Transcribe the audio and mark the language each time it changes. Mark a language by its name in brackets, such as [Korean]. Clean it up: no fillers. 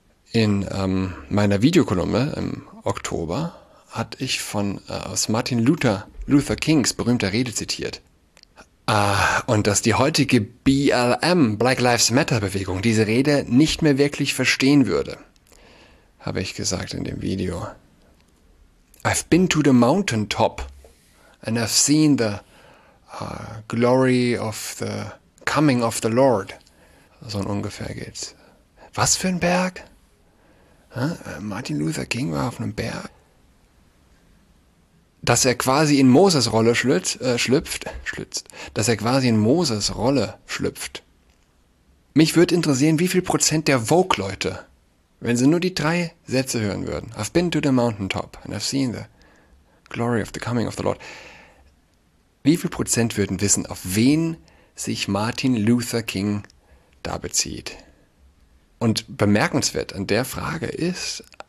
[German] In meiner Videokolumne im Oktober hatte ich aus Martin Luther Kings berühmter Rede zitiert. Und dass die heutige BLM, Black Lives Matter Bewegung, diese Rede nicht mehr wirklich verstehen würde, habe ich gesagt in dem Video. [English] I've been to the mountaintop and I've seen the glory of the coming of the Lord. [German] So ungefähr geht's. Was für ein Berg? Martin Luther King war auf einem Berg. Dass er quasi in Moses Rolle schlüpft. Mich würde interessieren, wie viel Prozent der Vogue-Leute, wenn sie nur die drei Sätze hören würden, [English] I've been to the mountaintop and I've seen the glory of the coming of the Lord, [German] wie viel Prozent würden wissen, auf wen sich Martin Luther King da bezieht? Und bemerkenswert an der Frage ist,